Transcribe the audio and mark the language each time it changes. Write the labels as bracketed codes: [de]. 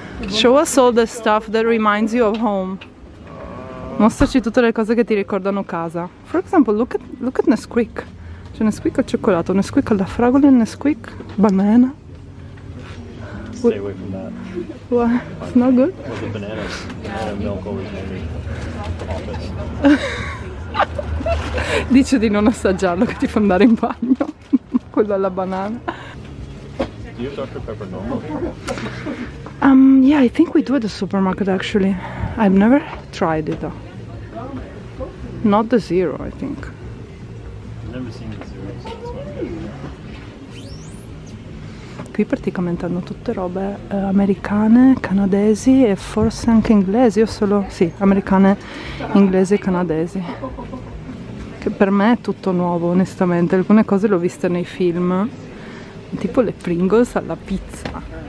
[en] Show us all the stuff that reminds you of home. [it] Mostraci tutte le cose che ti ricordano casa. [en] For example, look at Nesquik. [it] C'è Nesquik al cioccolato, Nesquik alla fragola e Nesquik banana. [en] Stay away from that. What? It's not good? Well, the bananas and milk always made me office. [it] Dice di non assaggiarlo che ti fa andare in bagno. Quello alla banana. [en] Do you have Dr. Pepper normal? Yeah, I think we do at the supermarket actually. I've never tried it though. Not the zero, I think. I've never seen the zero, so that's why I'm getting there. [it] Qui praticamente hanno tutte robe americane, canadesi e forse anche inglesi, o solo, sì, americane, inglesi e canadesi. Che per me è tutto nuovo, onestamente. Alcune cose le ho viste nei film, tipo le Pringles alla pizza.